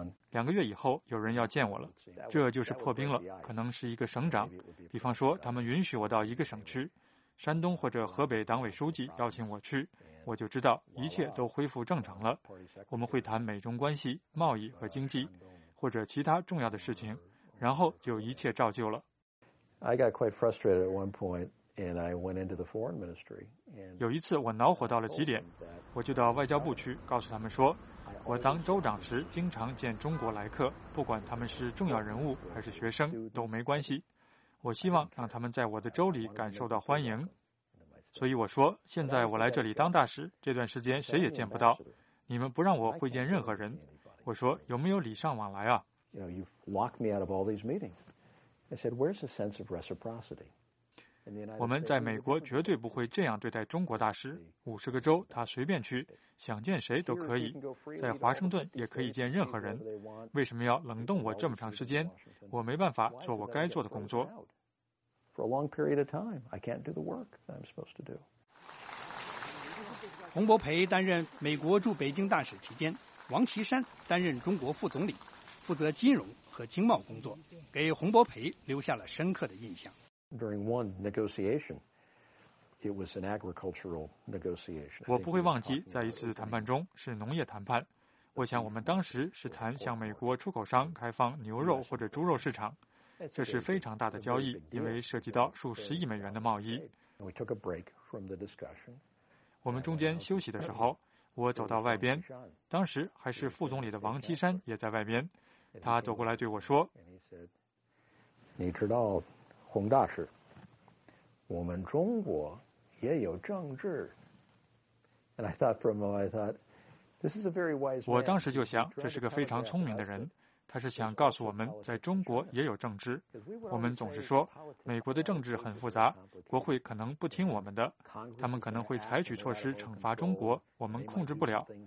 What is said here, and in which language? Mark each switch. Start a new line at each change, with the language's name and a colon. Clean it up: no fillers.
Chinese: 两个月以后有人要见我了，这就是破冰了，可能是一个省长，比方说他们允许我到一个省去，山东或者河北党委书记邀请我去，我就知道一切都恢复正常了。我们会谈美中关系、贸易和经济或者其他重要的事情，然后就一切照旧了。
English: I got quite frustrated at one point, and I went into the foreign ministry.
Chinese: 有一次我恼火到了极点，我就到外交部去告诉他们说，我当州长时经常见中国来客，不管他们是重要人物还是学生都没关系。我希望让他们在我的州里感受到欢迎。所以我说，现在我来这里当大使，这段时间谁也见不到，你们不让我会见任何人。我说，有没有礼尚往来啊？
English: You've locked me out of all these meetings. I said, "Where's the sense of reciprocity?"
Chinese: 我们在美国绝对不会这样对待中国大使。五十个州，他随便去，想见谁都可以。在华盛顿也可以见任何人。为什么要冷冻我这么长时间？我没办法做我该做的工作。
English: For a long period of time, I can't do the work I'm supposed to do.
Chinese: 洪博培担任美国驻北京大使期间，王岐山担任中国副总理，负责金融和经贸工作，给洪博培留下了深刻的印象。
English: During one negotiation, it was an agricultural negotiation.
Chinese: 我不会忘记，在一次谈判中是农业谈判。我想我们当时是谈向美国出口商开放牛肉或者猪肉市场，这是非常大的交易，因为涉及到数十亿美元的贸易。
English: We took a break from the discussion.
Chinese: 我们中间休息的时候，我走到外边，当时还是副总理的王岐山也在外边。他走过来对我说，你知道洪大使，我们中国也有政治。
English: And I thought for a moment, I thought, this is a very wise man.
Chinese: 我当时就想，这是个非常聪明的人，他是想告诉我们在中国也有政治。我们总是说美国的政治很复杂，国会可能不听我们的，他们可能会采取措施惩罚中国，我们控制不了。